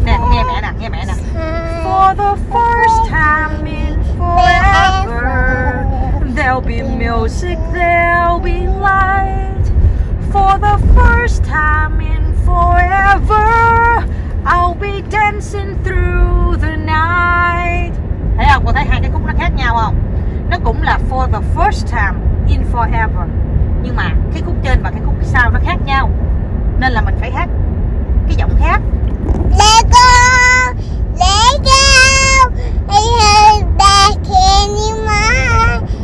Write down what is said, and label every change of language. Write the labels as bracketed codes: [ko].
[en] For the first time in forever, there'll be music, there'll be light. For the first time in forever, I'll be dancing through the night. [vi] Thấy không? Cô thấy hai cái khúc nó khác nhau không? Nó cũng là [en] for the first time in forever, [vi] nhưng mà cái khúc trên và cái khúc sau nó khác nhau. nên là mình phải hát cái giọng khác. [en] Let go, let go, I hold back anymore.